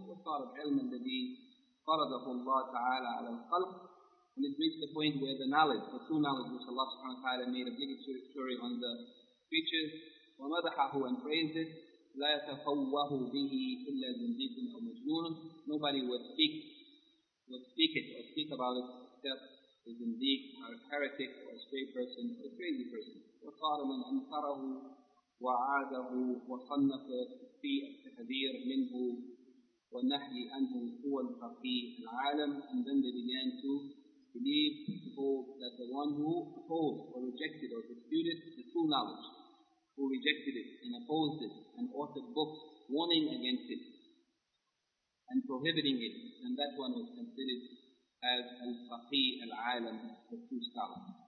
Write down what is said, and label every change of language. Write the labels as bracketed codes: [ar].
[en] What sort of ilm and deen [ar] faradahu Allah ta'ala ala al-qalb, [en] and it reached the point where the knowledge, the true knowledge which Allah subhanahu wa ta'ala made obligatory on the creatures, wa madahahu, and praised it, [ar] لا يتفوه به إلا زنديق أو مجنون. [en] Nobody would speak it or speak about it except the zindiq, or a heretic, or a stray person, or a crazy person. [ar] وصار من أنكره وعاده وصنف في التحذير منه والنهي عنه هو الفقيه العالم. [en] And then they began to believe, to hold that the one who opposed or rejected or disputed the true knowledge, who rejected it and opposed it and authored books warning against it and prohibiting it, and that one was considered as al-faqih al-alam, the true scholar.